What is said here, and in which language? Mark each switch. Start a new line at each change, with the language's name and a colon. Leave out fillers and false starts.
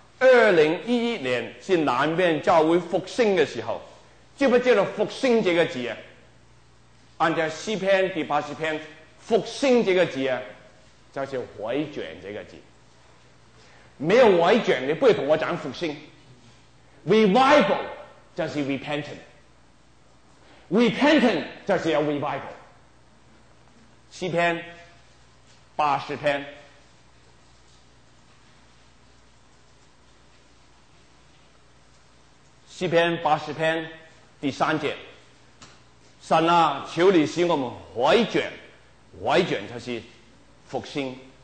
Chinese: 2011年是南边教会复兴的时候，记不记得复兴这个字啊？按照诗篇第八十篇，复兴这个字啊，就是回转这个字。没有回转，你不要跟我讲复兴。
English: Revival 就是 repentance。 Repentant 就是要 revival。
Chinese: 诗篇八十篇诗篇八十篇第三节，神啊，求你使我们回转，回转就是复兴。